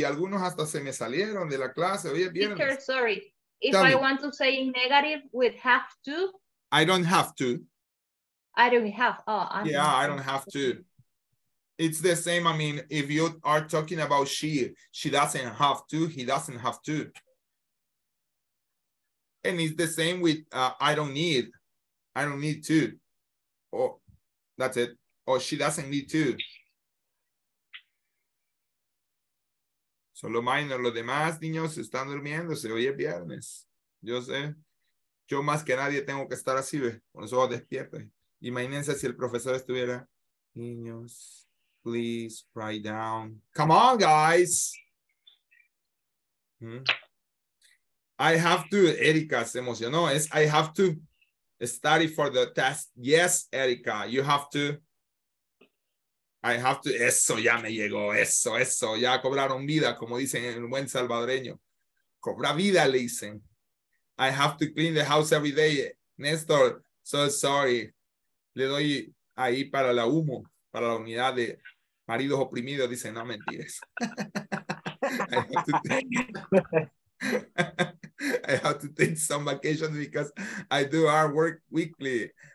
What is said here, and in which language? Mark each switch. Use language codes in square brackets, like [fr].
[es] Algunos hasta se me salieron de la clase. Oye, bien. [en] Teacher, sorry. If I want to say negative with have to. I don't have to. I don't have. Oh, yeah, I don't have to. It's the same. I mean, if you are talking about she doesn't have to, he doesn't have to. And it's the same with I don't need to. Oh, that's it. Or she doesn't need to. [es] Solo Minor, los demás niños están durmiendo. Se oye viernes. Yo sé. Yo más que nadie tengo que estar así, ¿ve? Con los ojos despiertos. Imagínense si el profesor estuviera. Niños, [en] please write down. Come on, guys. I have to, [es] Erika se emocionó, es [en] I have to study for the test. Yes, Erika, you have to. I have to, [es] eso ya me llegó, eso, eso, ya cobraron vida, como dicen en el buen salvadoreño. Cobra vida, le dicen. [en] I have to clean the house every day. Néstor, so sorry. [es] Le doy ahí para la humo, para la unidad de maridos oprimidos, dicen, no mentiras. [en] I have to take some vacations because I do hard work weekly.